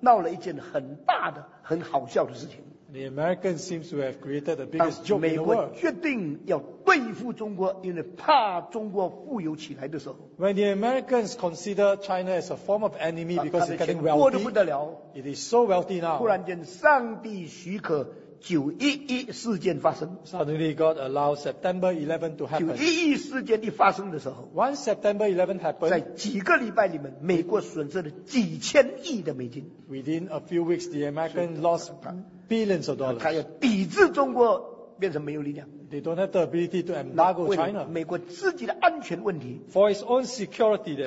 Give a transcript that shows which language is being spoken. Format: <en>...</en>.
<zh>美国等于在世界上闹了一件很大的很好笑的事情。</zh> <en>The Americans seem to have created the biggest joke in the world.</en> <zh>美国决定要对付中国, 因为怕中国富有起来的时候,</zh> <en>when the Americans consider China as a form of enemy because it's getting wealthy, it is so wealthy now,</en> <zh>忽然间上帝许可 911事件发生,</zh> <en>suddenly God allows September 11 to happen.</en> <zh>911事件一发生的时候,</zh> <en>once September 11 happened,</en> <zh>在几个礼拜里面, 美国损失了几千亿的美金,</zh> <en>within a few weeks the Americans lost billions of dollars.</en> <zh>他要抵制中国,</zh> <en>they don't have the ability to embargo China.</en> <zh>美国自己的安全问题,</zh> <en>for its own security, then,</en>